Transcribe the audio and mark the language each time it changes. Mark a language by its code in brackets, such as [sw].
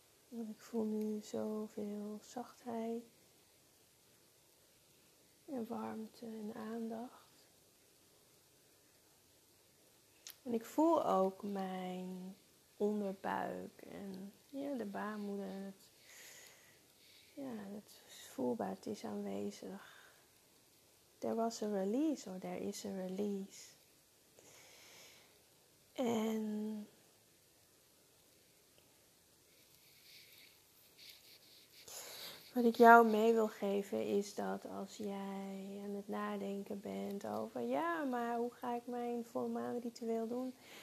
[nl] En ik voel nu zoveel zachtheid en warmte en aandacht. En ik voel ook mijn onderbuik en ja, de baarmoeder. Ja, het is voelbaar, het is aanwezig. [en] There was a release, or there is a release. [nl] En wat ik jou mee wil geven is dat als jij aan het nadenken bent over, ja, maar hoe ga ik mijn volmaan ritueel doen?